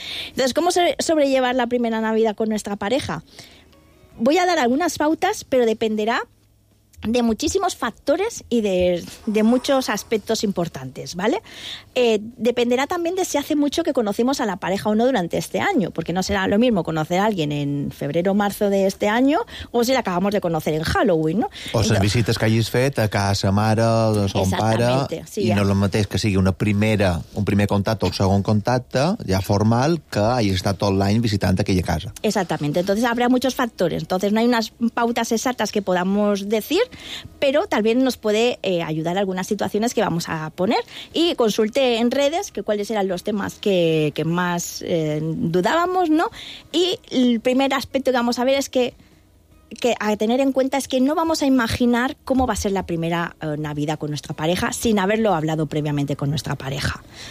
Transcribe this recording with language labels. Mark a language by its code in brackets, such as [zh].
[es] Entonces, ¿cómo sobrellevar la primera Navidad con nuestra pareja? Voy a dar algunas pautas, pero dependerá de muchísimos factores y de muchos aspectos importantes, ¿vale? Dependerá también de si hace mucho que conocimos a la pareja o no durante este año, porque no será lo mismo conocer a alguien en febrero o marzo de este año o si la acabamos de conocer en Halloween, ¿no? [ca] O sea, visites que hayis fet a casa mare, de son pare, sí, i no és el mateix que sigui un primer contacte o un segon contacte, ja formal, que hayis estat tot l'any visitant aquella casa. [es] Exactamente, entonces habrá muchos factores. Entonces no hay unas pautas exactas que podamos decir, pero tal vez nos puede ayudar algunas situaciones que vamos a poner. Y consulté en redes que cuáles eran los temas que más dudábamos, ¿no? Y el primer aspecto que vamos a ver es que a tener en cuenta es que no vamos a imaginar cómo va a ser la primera Navidad con nuestra pareja sin haberlo hablado previamente con nuestra pareja.